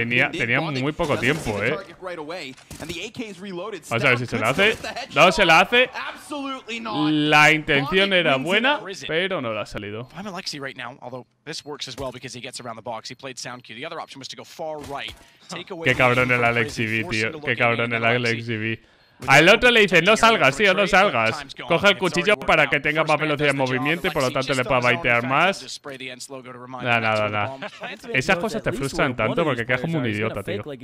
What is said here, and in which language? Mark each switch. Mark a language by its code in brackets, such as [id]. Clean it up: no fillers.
[es] Tenía muy poco tiempo, ¿eh? Vamos a ver si se la hace. No se la hace. La intención era buena, pero no la ha salido. [en] I'm Alexi right now, although this works as well because he gets around the box. He played sound cue. The other option was to go far right. [es] Qué cabrón el Alexi B, tío. Qué cabrón el Alexi B. Al otro le dice, no salgas, tío, no salgas. Coge el cuchillo para que tenga más velocidad de movimiento y por lo tanto le pueda baitear más. Nada. Esas cosas te frustran tanto porque quedas como un idiota, tío.